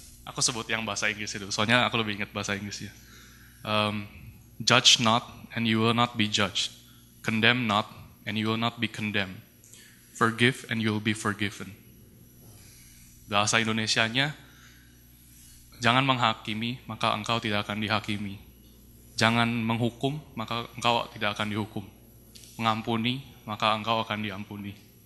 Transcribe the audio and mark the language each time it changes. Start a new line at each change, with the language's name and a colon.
Indonesian: Aku sebut yang bahasa Inggris itu, soalnya aku lebih ingat bahasa Inggrisnya.
English: Judge not and you will not be judged. Condemn not and you will not be condemned. Forgive and you will be forgiven.
Indonesian: Bahasa Indonesianya, jangan menghakimi maka engkau tidak akan dihakimi. Jangan menghukum maka engkau tidak akan dihukum. Mengampuni maka engkau akan diampuni.